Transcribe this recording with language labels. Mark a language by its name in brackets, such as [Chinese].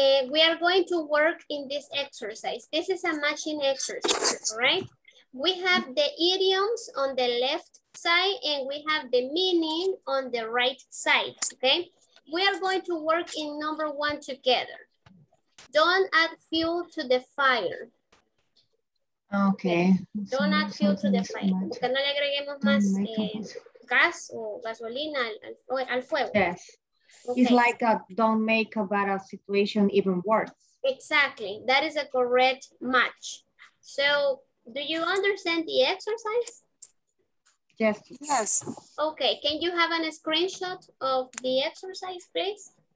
[English] We are going to work in this exercise. This is a matching exercise, right? We have the idioms on the left side and we have the meaning on the right side, okay? We are going to work in number one together. Don't add fuel to the fire. Okay. Don't add fuel to the fire. [Spanish] Porque no le agreguemos más gas o gasolina al fuego. [English] Yes. Okay. It's like a don't make a bad situation even worse. Exactly. That is a correct match. So, do you understand the exercise? Yes. Yes. Okay. Can you have a screenshot of the exercise, please?